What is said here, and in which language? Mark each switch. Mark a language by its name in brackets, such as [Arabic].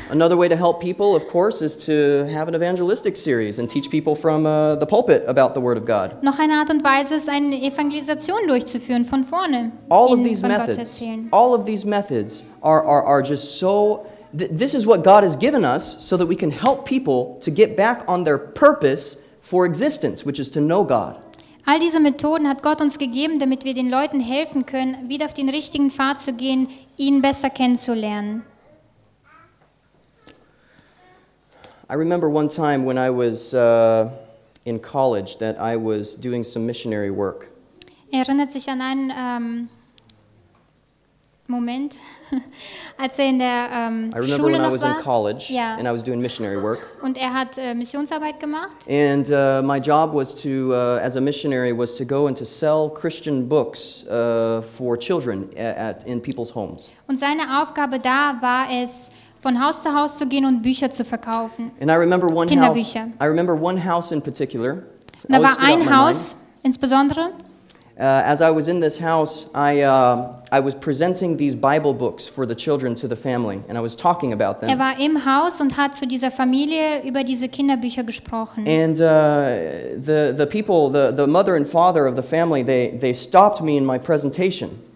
[English] Another way to help people, of course, is to have an evangelistic series and teach people from the pulpit about the Word of God. [German] Noch eine Art und Weise ist, eine Evangelisation durchzuführen von vorne. [English] All of these methods, all of these methods are just so, this is what God has given us so that we can help people to get back on their purpose for existence, which is to know God. [German] All diese Methoden hat Gott uns gegeben, damit wir den Leuten helfen können, wieder auf den richtigen Pfad zu gehen, ihn besser kennenzulernen. [English] I remember one time when I was in college that I was doing some missionary work. [German] Er erinnert sich an einen Moment, als er in der Schule noch war. [English] I remember when I was in college, yeah. And I was doing missionary work. [German] Und er hat Missionsarbeit gemacht. [English] And my job was to, as a missionary, was to go and to sell Christian books for children in people's homes. [German] Und seine Aufgabe da war es, von Haus zu Haus zu gehen und Bücher zu verkaufen. [English] And I remember one Kinderbücher. House, I remember one house in particular. [German] Da war ein Haus insbesondere. [English] As I was in this house, I was presenting these Bible books for the children to the family, and I was talking about them. [German] Er war im Haus und hat zu dieser Familie über diese Kinderbücher gesprochen. [English] And the people, the mother and father of the family, they stopped me in my presentation.